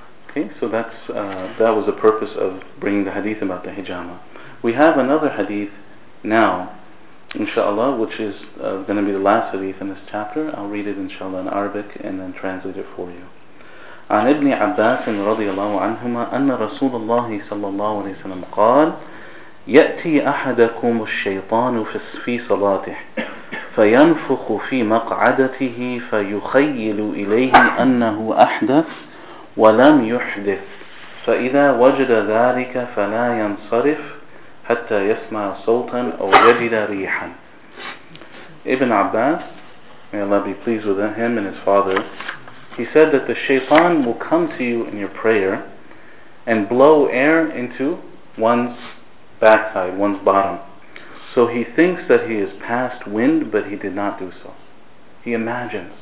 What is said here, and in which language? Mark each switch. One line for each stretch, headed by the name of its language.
English: Okay, so that was the purpose of bringing the hadith about the hijama. We have another hadith now, inshallah, which is going to be the last hadith in this chapter. I'll read it, inshallah, in Arabic and then translate it for you.
Arabic: عن ابن عباس رضي الله عنهما أن رسول الله صلى الله عليه وسلم قال يأتي أحدكم الشيطان في صلاته فينفخ في مقعدته فيخيل إليه أنه أحدث ولم يحدث فإذا وجد ذلك فلا ينصرف حتى يسمع صوتا أو يجد ريحا.
English: ابن عباس, may Allah be pleased with him and his father, he said that the shaitan will come to you in your prayer and blow air into one's backside, one's bottom. So he thinks that he is past wind, but he did not do so. He imagines.